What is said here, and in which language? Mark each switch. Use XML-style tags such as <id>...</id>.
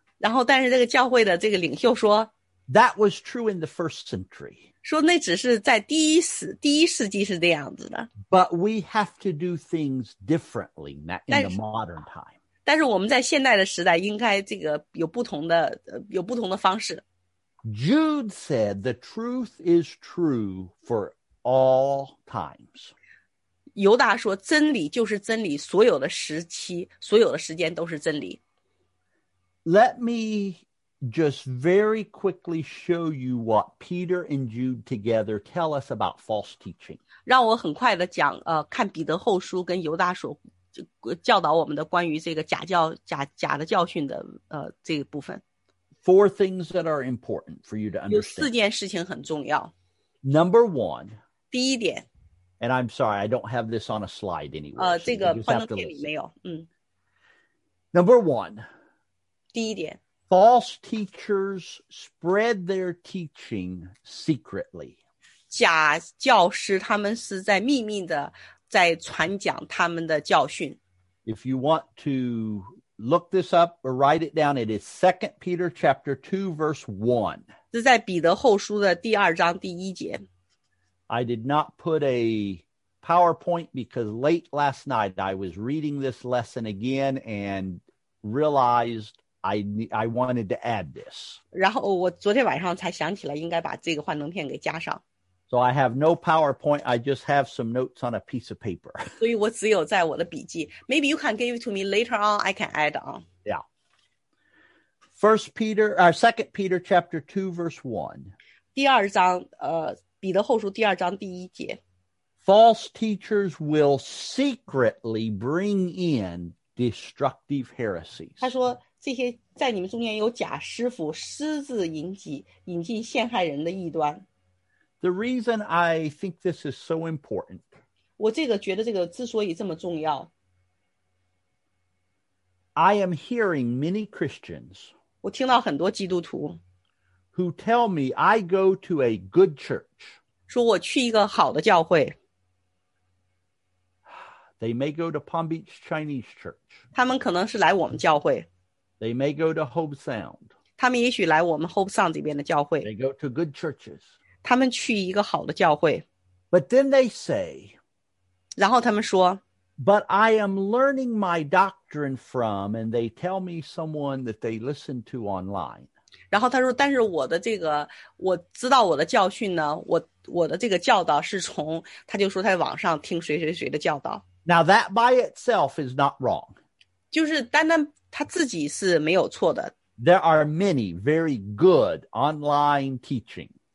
<zh>然后但是这个教会的这个领袖说</zh> <en>That was true in the first century.</en> <zh>说那只是在第一世纪是这样子的。</zh> <en>But we have to do things differently in the modern time.</en> <zh>但是我们在现代的时代应该这个有不同的方式。</zh> <en>Jude said the truth is true for all times.</en> <zh>犹大说真理就是真理，所有的时期，所有的时间都是真理。</zh> <en>Let me just very quickly show you what Peter and Jude together tell us about false teaching.</en> <zh>让我很快的讲看彼得后书跟犹大所教导我们的关于这个假的教训的这个部分。</zh> <en>Four things that are important for you to understand.</en> <zh>有四件事情很重要。</zh> <en>Number one.</en> <zh>第一点。</zh> <en>And I'm sorry, I don't have this on a slide anywhere.</en> <zh>这个幻灯片里没有。</zh> <en>Number one.</en> <zh>第一点。</zh> <en>False teachers spread their teaching secretly.</en> <zh>假教师他们是在秘密的在传讲他们的教训。</zh> <en>If you want to... Look this up or write it down. It is 2 Peter chapter 2, verse 1.</en> <zh>这在彼得后书的第二章第一节。</zh> <en>I did not put a PowerPoint because late last night I was reading this lesson again and realized I wanted to add this.</en> <zh>然后我昨天晚上才想起来应该把这个幻灯片给加上。</zh> <en>So I have no PowerPoint, I just have some notes on a piece of paper.</en> <zh>所以我只有在我的笔记。</zh> <en>Maybe you can give it to me later on, I can add on. Yeah. 2 Peter chapter 2, verse 1.</en> <zh>第二章，彼得后书第二章第一节。</zh> <en>False teachers will secretly bring in destructive heresies.</en> <zh>他说这些在你们中间有假师傅私自引进陷害人的异端。</zh> <en>The reason I think this is so important.</en> <zh>我这个觉得这个之所以这么重要。</zh> <en>I am hearing many Christians.</en> <zh>我听到很多基督徒。</zh> <en>Who tell me I go to a good church.</en> <zh>说我去一个好的教会。</zh> <en>They may go to Palm Beach Chinese Church.</en> <zh>他们可能是来我们教会。</zh> <en>They may go to Hope Sound.</en> <zh>他们也许来我们 Hope Sound 这边的教会。</zh> <en>They go to good churches.</en> <zh>他们去一个好的教会。</zh> <en>But then they say,</en> <zh>然后他们说,</zh> <en>But I am learning my doctrine from, and they tell me someone that they listen to online.</en> <zh>然后他说，但是我的这个，我知道我的教训呢，我的这个教导是从，他就说他在网上听谁谁谁的教导。</zh> <en>Now that by itself is not wrong.</en> <zh>就是单单他自己是没有错的。</zh> <en>There are many very good online teaching.</en>